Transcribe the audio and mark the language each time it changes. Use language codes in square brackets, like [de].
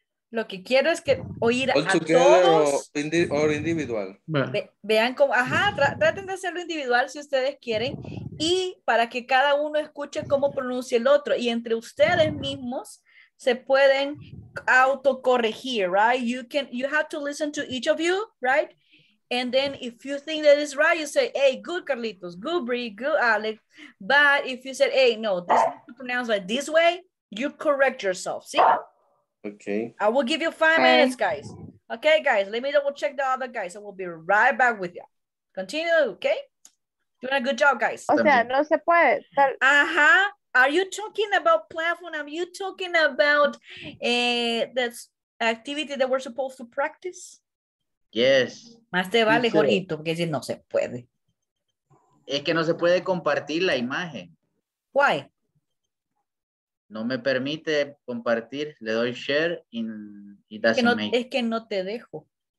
[es] Lo que quiero es que oír all a todos. [en] Or individual. [es] Vean cómo, ajá, traten de hacerlo individual si ustedes quieren. Y para que cada uno escuche cómo pronuncia el otro. Y entre ustedes mismos se pueden autocorregir, right? [en] You have to listen to each of you, right? And then if you think that is right, you say, hey, good Carlitos, good Brie, good Alex. But if you said, hey, no, this is pronounced like this way, you correct yourself, see? Okay. I will give you 5 minutes, guys. Okay, guys, let me double check the other guys. I will be right back with you. Continue, okay? Doing a good job, guys. [es] O sea, no se puede. Ajá. [en] Are you talking about platform? Are you talking about this activity that we're supposed to practice? Yes. [es] Más te vale, dice, Jorgito, porque si no se puede. Es que no se puede compartir la imagen. [en] Why? [es] No me permite compartir. Le doy share y es, que no, es que no te dejo.